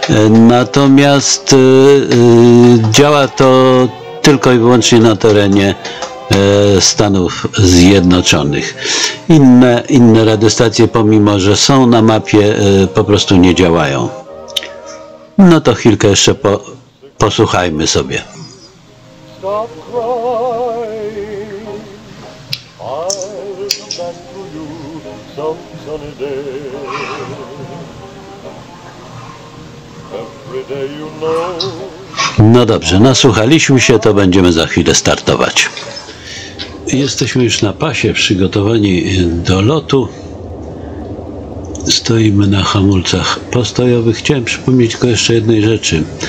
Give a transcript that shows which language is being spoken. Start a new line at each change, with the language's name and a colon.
Polish: Natomiast działa to tylko i wyłącznie na terenie Stanów Zjednoczonych. Inne radiostacje, pomimo że są na mapie, po prostu nie działają. No to chwilkę jeszcze posłuchajmy sobie.
English: Stop crying, I'll come back to you some sunny day. Every day you know.
Polish: No dobrze, nasłuchaliśmy się, to będziemy za chwilę startować. Jesteśmy już na pasie, przygotowani do lotu. Stoimy na hamulcach postojowych. Chciałem przypomnieć tylko jeszcze jednej rzeczy.